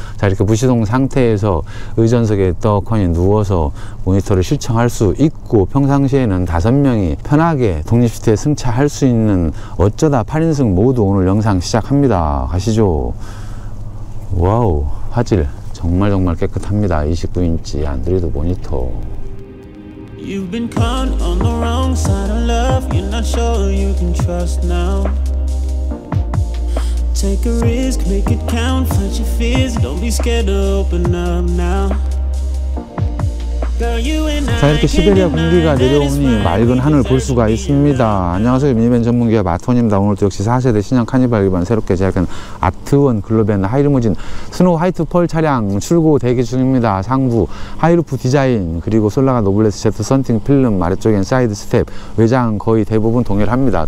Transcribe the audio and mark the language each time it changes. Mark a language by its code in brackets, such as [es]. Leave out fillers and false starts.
[ko] 자, 이렇게 무시동 상태에서 의전석에 떡하니 누워서 모니터를 시청할 수 있고, 평상시에는 5명이 편하게 독립 시트에 승차할 수 있는 어쩌다 8인승 모두 오늘 영상 시작합니다. 가시죠. 와우, 화질 정말 정말 깨끗합니다. 29인치 안드로이드 모니터. [en] You've been caught on the wrong side of love. You're not sure you can trust now. Take a risk, make it count. Fight your fears, don't be scared to open up now. [ko] 자, 이렇게 시베리아 공기가 내려오니 맑은 하늘 볼 수가 있습니다. 안녕하세요, 미니밴 전문기업 마토원입니다. 오늘도 역시 4세대 신형 카니발 기반 새롭게 제작한 아트원 글로벤 하이리무진 스노우 화이트 펄 차량 출고 대기 중입니다. 상부 하이루프 디자인, 그리고 솔라가 노블레스 제트 썬팅 필름, 아래쪽엔 사이드 스텝, 외장 거의 대부분 동일합니다.